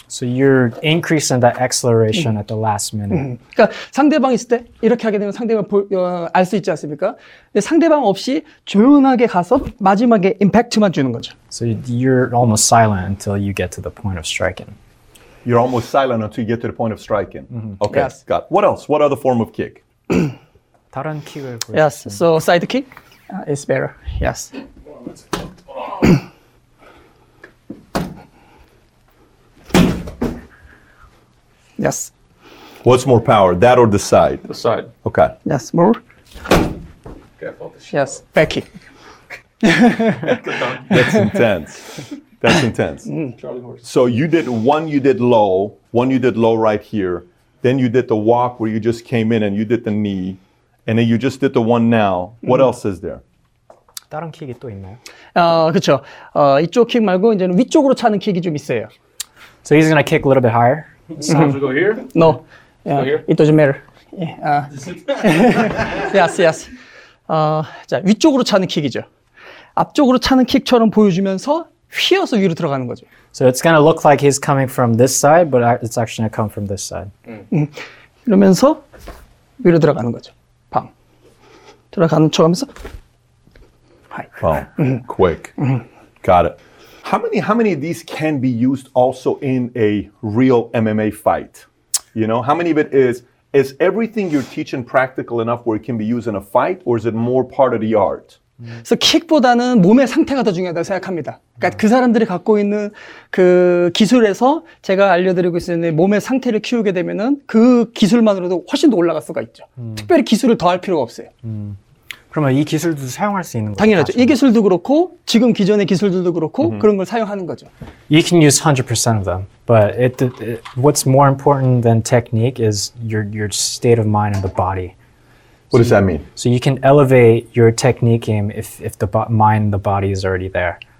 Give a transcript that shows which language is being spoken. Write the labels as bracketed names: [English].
[English] So you're increasing the acceleration at the last minute. [Korean] 그러니까 상대방 있을 때 이렇게 하게 되면 알 수 있지 않습니까? 근데 상대방 없이 조용하게 가서 마지막에 임팩트만 주는 거죠. [English] So you're almost silent until you get to the point of striking. You're almost silent until you get to the point of striking. Mm-hmm. Okay. Yes. Got. What else? What other form of kick? [Korean] 다른 킥을 [English] Yes. So side kick. It's better. Yes. Yes. What's more power, that or the side? The side. Okay. Yes, more. Careful. Yes, back kick. That's intense. Charlie horse. So you did one, you did low right here. Then you did the walk where you just came in and you did the knee. And then you just did the one now. What else is there? [Korean] 다른 킥이 또 있나요? 그렇죠. 이쪽 킥 말고 이제는 위쪽으로 차는 킥이 좀 있어요. [English] So he's gonna kick a little bit higher. So we go here? No. Go here? It doesn't matter. Yeah. yes, yes. [Korean] 자 위쪽으로 차는 킥이죠. 앞쪽으로 차는 킥처럼 보여주면서 휘어서 위로 들어가는 거죠. [English] So it's gonna look like he's coming from this side, but it's actually gonna come from this side. [Korean] 이러면서 위로 들어가는 거죠. 방 들어가는 척하면서. [English] Well, quick. Got it. How many of these can be used also in a real MMA fight? You know, how many of it is everything you're teaching practical enough where it can be used in a fight, or is it more part of the art? [Korean] So, 킥보다는 몸의 상태가 더 중요하다고 생각합니다. 그러니까 그 사람들이 갖고 있는 그 기술에서 제가 알려드리고 있었는데 몸의 상태를 키우게 되면은 그 기술만으로도 훨씬 더 올라갈 수가 있죠. 특별히 기술을 더할 필요가 없어요. 그러면 이 기술도 사용할 수 있는 거죠? 당연하죠. 이 기술도 그렇고 지금 기존의 기술들도 그렇고 mm-hmm. 그런 걸 사용하는 거죠. [English] You can use 100% of them, but what's more important than technique is your state of mind and the body. What does that mean? So you can elevate your technique game if the mind and the body is already there.